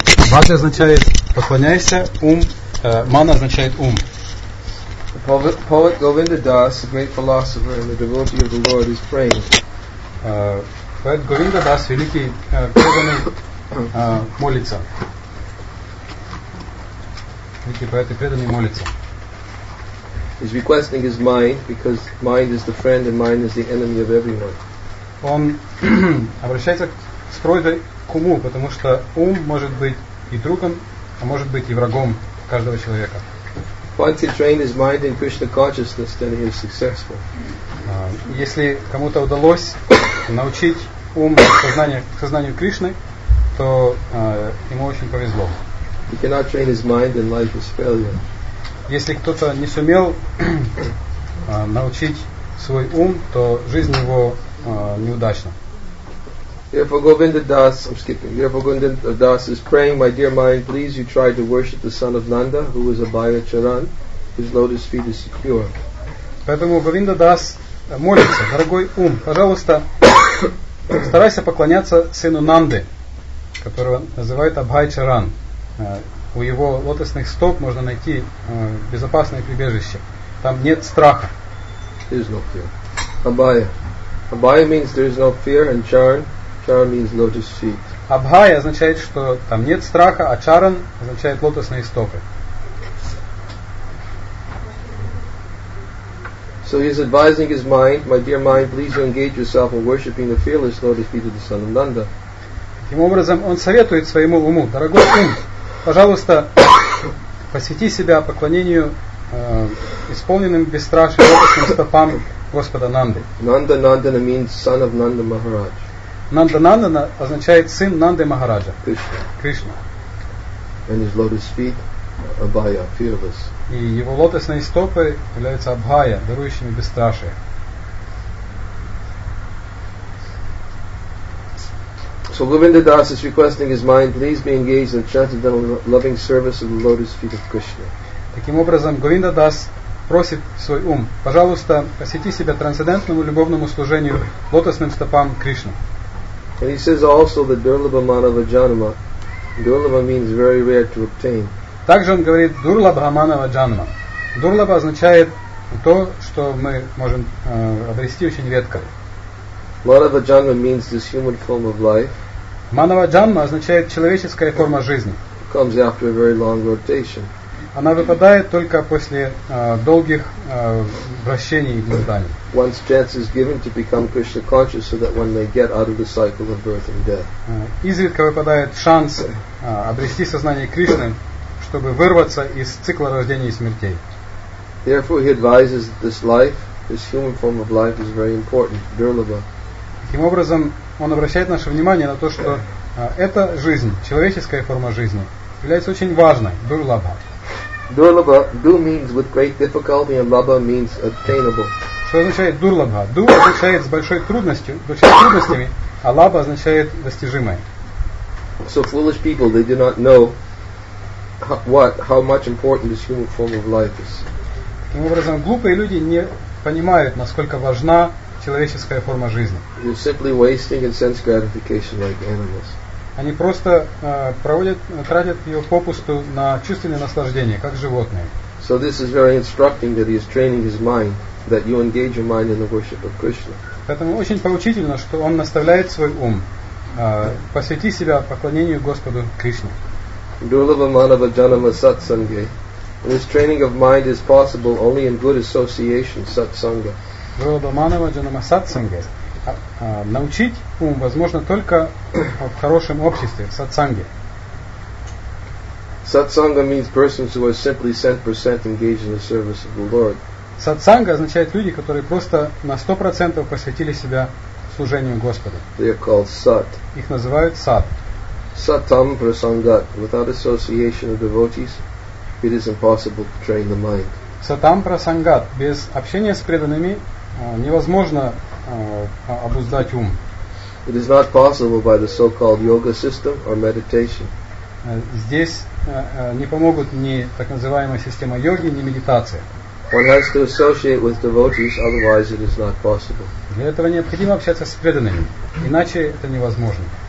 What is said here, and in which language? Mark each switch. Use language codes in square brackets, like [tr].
[ru] Бати означает поклоняйся, ум, мана означает ум. [en] The poet Govinda Das, a great philosopher and the devotee of the Lord, is praying. [ru] Поэт Говинда Дас, великий преданный, молится. Великий поэт и преданный молится. [en] He's requesting his mind, because mind is the friend and mind is the enemy of everyone. [ru] Он обращается с просьбой к уму, потому что ум может быть и другом, а может быть и врагом каждого человека. [en] Once he trained his mind in Krishna consciousness, then he is successful. [ru] Если кому-то удалось научить ум к сознанию Кришны, то ему очень повезло. [en] He cannot train his mind, then life is failure. [ru] Если кто-то не сумел научить свой ум, то жизнь его неудачна. [en] Therefore, Govinda Das, I'm skipping. Therefore, Govinda Das is praying, my dear mind, please, you try to worship the son of Nanda, who is a Bhayacharan, whose lotus feet is secure. [ru] Поэтому Govinda Das молится, дорогой ум, пожалуйста, старайся поклоняться сыну Нанды, которого называют Абхайчаран. У его лотосных стоп можно найти безопасное прибежище. Там нет страха. [en] There is no fear. Abhaya. Abhaya means there is no fear, and charan. Charan means lotus feet. [ru] Abhaya означает, что там нет страха, а charan означает лотосные стопы. [en] So he is advising his mind, my dear mind, please engage yourself in worshiping the fearless lotus feet of the son of Nanda. [ru] Таким образом, он советует своему уму, дорогой ум, пожалуйста, посвяти себя поклонению исполненным бесстрашным лотосным стопам Господа Нанды. [en] Nanda Nandana means son of Nanda Maharaj. [ru] Nanda Nandana означает сын Нанды Махараджа. Кришна. [en] And his lotus feet, Abhaya, fearless. [ru] И его лотосные стопы являются Абхая, дарующими бесстрашие. [en] So Govinda Das is requesting his mind, please be engaged in transcendental loving service of the lotus feet of Krishna. [ru] Таким образом, Говинда Дас просит свой ум, пожалуйста, посвяти себя трансцендентному любовному служению лотосным стопам Кришны. [en] And he says also that [bn] durlabha manava janma. [en] Durlabha means very rare to obtain. [ru] Также он говорит [bn] durlabha manava janma. [ru] Durlabha означает то, что мы можем обрести очень редко. [en] Manava janma means this human form of life. [ru] Manava janma означает человеческая форма жизни. [en] Comes after a very long rotation. [ru] Она выпадает только после долгих вращений и гнезданий. [en] Once chance is given to become Krishna conscious so that one may get out of the cycle of birth and death. [ru] Изредка выпадает шанс обрести сознание Кришны, чтобы вырваться из цикла рождения и смертей. [en] Therefore he advises that this life, this human form of life is very important, durlabha. [ru] Таким образом, он обращает наше внимание на то, что эта жизнь, человеческая форма жизни, является очень важной, дурлабха. [en] Дурлабха, ду means with great difficulty, and лабха means attainable. [ru] Что означает дурлабха? Ду означает с большой трудностью, с большими трудностями, а лабха означает достижимое. [en] So foolish people, they do not know how much important this human form of life is. [ru] Таким образом, глупые люди не понимают, насколько важна человеческая форма жизни. [en] You're simply wasting and sense gratification like animals. [ru] Они просто тратят ее попусту на чувственные наслаждения, как животные. [en] So this is very instructing that he is training his mind, that you engage your mind in the worship of Krishna. [ru] Поэтому очень поучительно, что он наставляет свой ум посвяти себя поклонению Господу Кришне. [bn] Durlabha manava janma satsange. [en] This training of mind is possible only in good association, satsanga. [bn] Дурлабаманава джанама сатсанге. [ru] Научить ум возможно только в хорошем обществе, в сатсанге. [en] Сатсанга means persons who are simply 100% engaged in the service of the Lord. [ru] Сатсанга означает люди, которые просто на 100% посвятили себя служению Господу. [en] They are called sat. [ru] Их называют сат. [sa] Satam prasangat. [en] Without association of devotees, it is impossible to train the mind. [sa] Satam prasangat. [ru] Без общения с преданными невозможно обуздать ум. [en] It is not possible by the so-called yoga system or meditation. [ru] Здесь не помогут ни так называемая система йоги, ни медитация. [en] One has to associate with devotees, otherwise it is not possible. [ru] Для этого необходимо общаться с преданными, иначе это невозможно.